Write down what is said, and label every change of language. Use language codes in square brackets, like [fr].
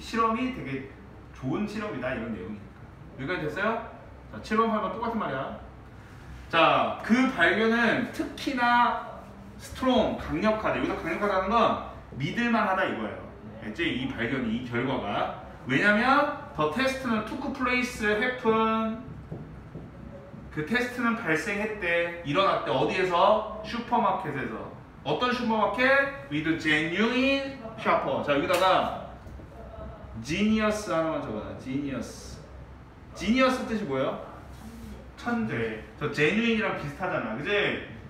[ko] 실험이 되게 좋은 실험이다. 이런 내용이니까. 여기까지 됐어요? 자, 7번, 8번 똑같은 말이야. 자, 그 발견은 특히나 strong, 강력하다. 여기서 강력하다는 건 믿을만하다 이거예요. 이제 이 발견이, 이 결과가. 왜냐면, [en] the test는 took place, happen. [ko] 그 테스트는 발생했대, 일어났대. 어디에서? 슈퍼마켓에서. 어떤 슈퍼마켓? [en] With genuine shopper. [ko] 자 여기다가 genius 하나만 적어놔. genius. genius 뜻이 뭐예요? 천재. 저 genuine이랑 비슷하잖아. 그지?